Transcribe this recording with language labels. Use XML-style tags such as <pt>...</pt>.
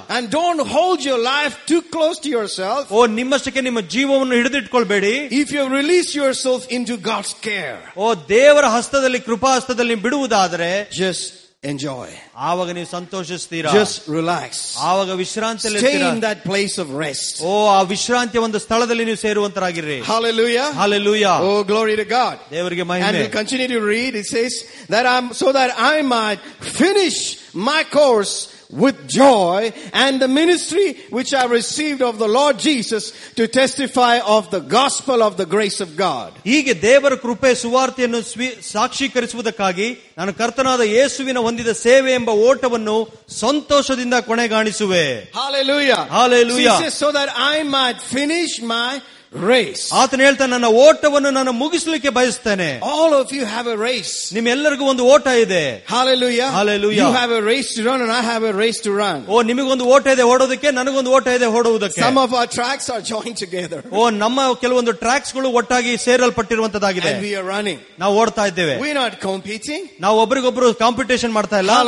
<en>And don't hold your life too close to yourself.</en> <kn>ಓ, ನಿಮ್ಮಷ್ಟಕ್ಕೆ ನಿಮ್ಮ ಜೀವವನ್ನು ಹಿಡಿದಿಟ್ಕೊಳ್ಬೇಡಿ.</kn> <en>If you release yourself into God's care.</en> <kn>ಓ, ದೇವರ ಹಸ್ತದಲ್ಲಿ ಕೃಪಾಹಸ್ತದಲ್ಲಿ ಬಿಡುವುದಾದರೆ</kn> <en>just enjoy.</en> <kn>ಆವಾಗ ನೀವು ಸಂತೋಷಿಸ್ತೀರಾ?</kn> <en>Just relax.</en> <kn>ಆವಾಗ ವಿಶ್ರಾಂತಿಯಲ್ಲಿ</kn> <en>stay in that place of rest.</en> <kn>ಓ, ಆ ವಿಶ್ರಾಂತಿಯ ಒಂದು ಸ್ಥಳದಲ್ಲಿ ನೀವು ಸೇರುವಂತರಾಗಿರಿ.</kn> <en>Hallelujah. Hallelujah. Oh glory to God.</en> <kn>ದೇವರಿಗೆ ಮಹಿಮೆ.</kn> <en>And we continue to read, it says that I'm so that I might finish my course with joy and the ministry which I received of the Lord Jesus to testify of the gospel of the grace of God.</en> <kn>ಹೀಗೆ ದೇವರ ಕೃಪೆ ಸುವಾರ್ತೆಯನ್ನು ಸಾಕ್ಷೀಕರಿಸುವುದಕ್ಕಾಗಿ ನಾನು ಕರ್ತನಾದ ಯೇಸುವಿನ ಹೊಂದಿದ ಸೇವೆ ಎಂಬ ಓಟವನ್ನು ಸಂತೋಷದಿಂದ ಕೊನೆಗಾಣಿಸುವೆ.</kn> <en>Hallelujah. Hallelujah. He says so that I might finish my race.</en> <kn>ಆತನ ಹೇಳ್ತಾನೆ, ನನ್ನ ಓಟವನ್ನು ನಾನು ಮುಗಿಸಲಿಕ್ಕೆ ಬಯಸ್ತೇನೆ.</kn> <en>All of you have a race.</en> <kn>ನಿಮ್ಮೆಲ್ಲರಿಗೂ ಒಂದು ಓಟ ಇದೆ.</kn> <en>Hallelujah. Hallelujah. You have a race to run and I have a race to run.</en> <kn>ಓ, ನಿಮಗೊಂದು ಓಟ ಇದೆ ಓಡೋದಕ್ಕೆ, ನನಗೊಂದು ಓಟ ಇದೆ ಓಡುವುದಕ್ಕೆ.</kn> <en>Some of our tracks are joined together.</en> <kn>ಓ, ನಮ್ಮ ಕೆಲವೊಂದು ಟ್ರ್ಯಾಕ್ಸ್ ಗಳು ಒಟ್ಟಾಗಿ ಸೇರಲ್ಪಟ್ಟಿರುವಂತದಾಗಿದೆ.</kn> <en>And we are running.</en> <kn>ನಾವು ಓಡ್ತಾ ಇದ್ದೇವೆ.</kn> <en>We are not competing.</en> <kn>ನಾವು ಒಬ್ಬರಿಗೊಬ್ಬರು ಕಾಂಪಿಟೇಷನ್ ಮಾಡ್ತಾ ಇಲ್ಲ.</kn>